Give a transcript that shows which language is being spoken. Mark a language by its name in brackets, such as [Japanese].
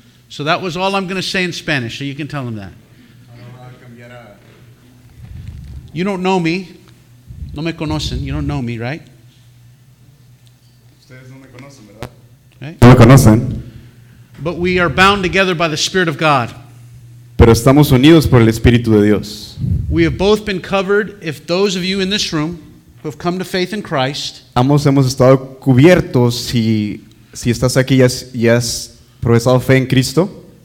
[English] So that was all I'm going to say in Spanish, so you can tell him that. You don't know me. [Spanish] No me conocen. [English] You don't know me, right? [Spanish] Ustedes no me conocen, ¿verdad? [English] Right? [Spanish] No me conocen. [English] But we are bound together by the Spirit of God. [Spanish] Pero estamos unidos por el Espíritu de Dios. [English] We have both been covered, if those of you in this room who have come to faith in Christ. [Spanish] Ambos hemos estado cubiertos si estás aquí y has profesado fe en Cristo.